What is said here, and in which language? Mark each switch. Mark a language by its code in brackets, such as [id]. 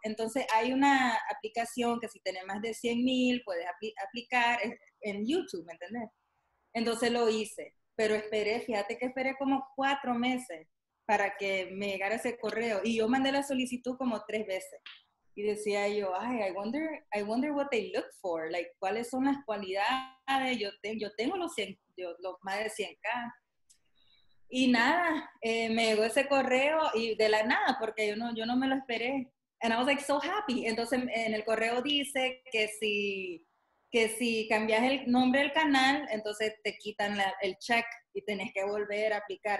[es] Entonces hay una aplicación que si tenés más de 100,000 puedes aplicar en YouTube, ¿me entiendes? Entonces lo hice, pero esperé, fíjate que esperé como 4 meses para que me llegara ese correo. Y yo mandé la solicitud como 3 veces. Y decía yo, [en] ay, I wonder what they look for. [es] Like, ¿cuáles son las cualidades? Yo tengo los más de 100K. Y nada, me llegó ese correo y de la nada, porque yo no me lo esperé. [en] And I was like so happy. [es] Entonces en el correo dice que si cambias el nombre del canal, entonces te quitan el check y tenés que volver a aplicar.